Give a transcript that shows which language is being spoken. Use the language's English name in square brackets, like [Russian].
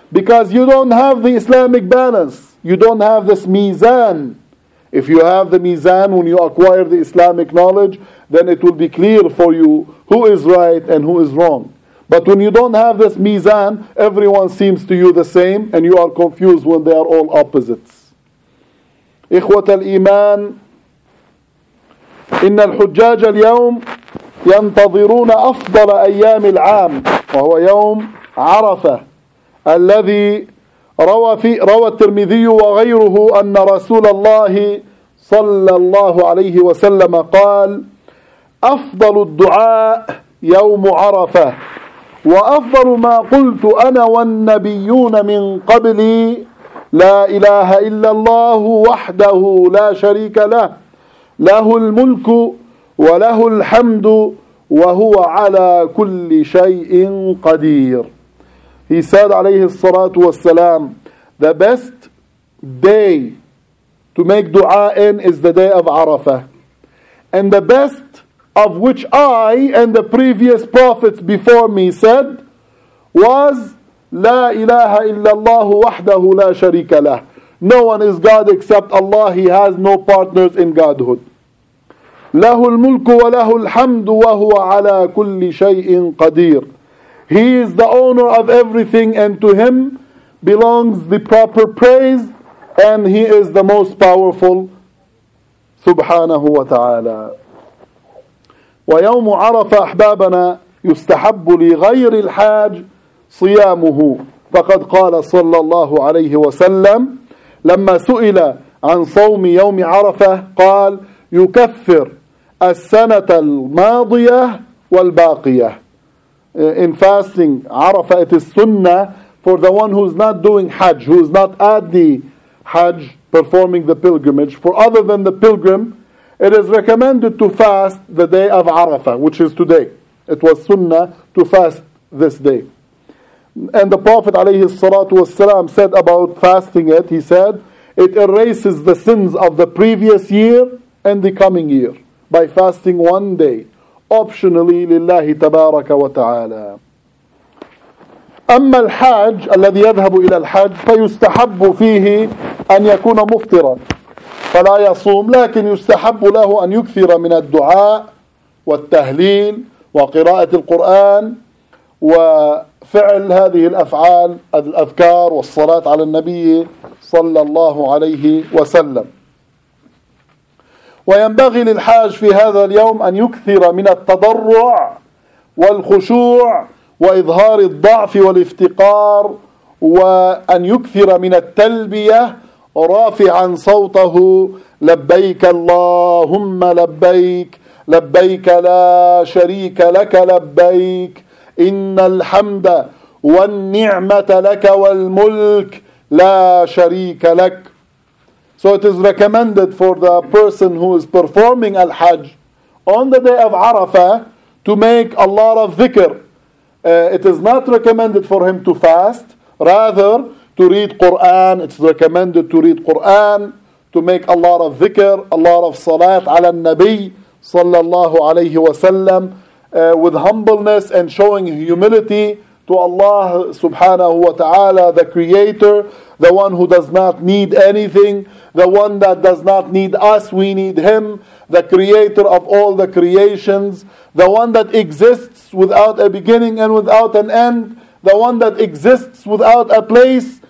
[English] Because you don't have the Islamic balance, you don't have this mizan. If you have the mizan when you acquire the Islamic knowledge, then it will be clear for you who is right and who is wrong. But when you don't have this mizan, everyone seems to you the same, and you are confused when they are all opposites. [Arabic] إخوة الإيمان, إن الحجاج اليوم ينتظرون أفضل أيام العام, وهو يوم عرفة, الذي روى الترمذي وغيره أن رسول الله صلى الله عليه وسلم قال, أفضل الدعاء يوم عرفة, وأفضل ما قلت أنا والنبيون من قبلي, لا إله إلا الله وحده لا شريك له, له الملك وله الحمد, وهو على كل شيء قدير. [English] He said, [Arabic] عليه الصلاة والسلام, [English] the best day to make dua in is the day of Arafah. And the best of which I and the previous prophets before me said was, [Arabic] لا إله إلا الله وحده لا شريك له. [English] No one is God except Allah. He has no partners in Godhood. [Arabic] له الملك وله الحمد وهو على كل شيء قدير. [English] He is the owner of everything, and to Him belongs the proper praise, and He is the most powerful, [Arabic] سبحانه وتعالى. ويوم عرفة أحبابنا يستحب لغير الحاج صيامه, فقد قال صلى الله عليه وسلم لما سئل عن صوم يوم عرفة قال, يكفر السنة الماضية والباقية. [English] In fasting, Arafah, it is sunnah for the one who's not doing Hajj, who's not at the Hajj, performing the pilgrimage, for other than the pilgrim, it is recommended to fast the day of Arafah, which is today. It was Sunnah to fast this day. And the Prophet [Arabic] والسلام, [English] said about fasting it, he said, it erases the sins of the previous year and the coming year by fasting one day, optionally [Arabic] لله تبارك وتعالى. أما الحاج الذي يذهب إلى الحاج فيستحب فيه أن يكون مفطرا فلا يصوم لكن يستحب له أن يكثر من الدعاء والتهليل وقراءة القرآن وفعل هذه الأفعال الأذكار والصلاة على النبي صلى الله عليه وسلم وينبغي للحاج في هذا اليوم أن يكثر من التضرع والخشوع وإظهار الضعف والافتقار وأن يكثر من التلبية رافعا صوته لبيك اللهم لبيك لبيك لا شريك لك لبيك إن الحمد والنعمة لك والملك لا شريك لك. [English] So it is recommended for the person who is performing al-Hajj on the day of Arafah to make a lot of dhikr. It is not recommended for him to fast, rather to read Qur'an. It's recommended to read Qur'an, to make a lot of dhikr, a lot of salat ala al-Nabi sallallahu alayhi wa sallam, with humbleness and showing humility to Allah subhanahu wa ta'ala, the Creator, the one who does not need anything, the one that does not need us, we need Him, the Creator of all the creations, the one that exists without a beginning and without an end, the one that exists without a place.